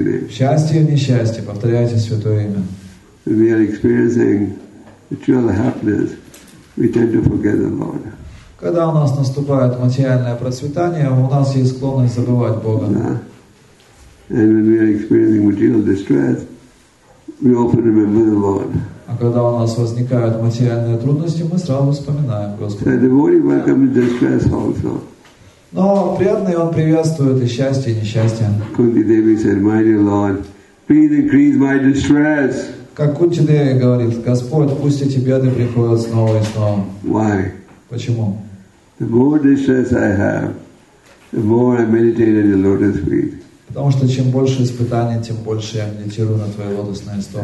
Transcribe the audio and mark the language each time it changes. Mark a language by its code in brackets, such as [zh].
[ru] Счастье и несчастье, повторяйте святое имя. [en] We are experiencing true happiness, we tend to forget the Lord. [ru] Когда у нас наступает материальное процветание, у нас есть склонность забывать Бога. [en] And when we are experiencing material distress, we often remember the Lord. [ru] А когда у нас возникают материальные трудности, мы сразу вспоминаем Господа. [en] The devotee welcomes distress also. [ru] Но преданный он приветствует и счастье, и несчастье. [en] Kunti Devi said, "My dear Lord, please increase my distress." [ru] Как Кунти Деви говорит, Господь, пусть эти беды приходят снова и снова. [en] Why? [ru] Почему? [en] The more distress I have, the more I meditate at the lotus feet. [ru] Потому что чем больше испытаний, тем больше я медитирую на твои лотосные